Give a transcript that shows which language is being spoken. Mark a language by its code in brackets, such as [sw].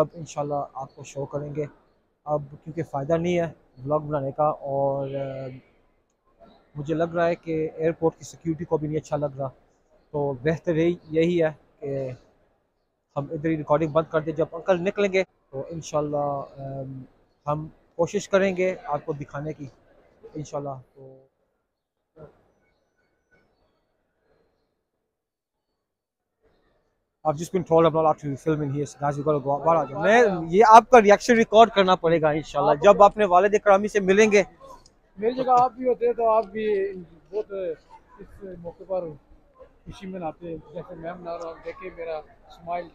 [hi] तब इंशाल्लाह आपको शो करेंगे। अब क्योंकि फ़ायदा नहीं है व्लॉग बनाने का, और मुझे लग रहा है कि एयरपोर्ट की सिक्योरिटी को भी नहीं अच्छा लग रहा, तो बेहतर यही है कि हम इधर ही रिकॉर्डिंग बंद कर दें। जब अंकल निकलेंगे तो इंशाल्लाह हम कोशिश करेंगे आपको दिखाने की इंशाल्लाह। तो [en] I've just been told I'm not allowed to film in here, so guys, you've got to go out. [hi] मैं ये आपका रिएक्शन रिकॉर्ड करना पड़ेगा इंशाल्लाह। जब अपने वालिद करामी से मिलेंगे, मेरी जगह आप भी होते तो आप भी बहुत इस मौके पर खुशी मनाते, जैसे मैं मना रहा हूँ, देखे मेरा स्माइल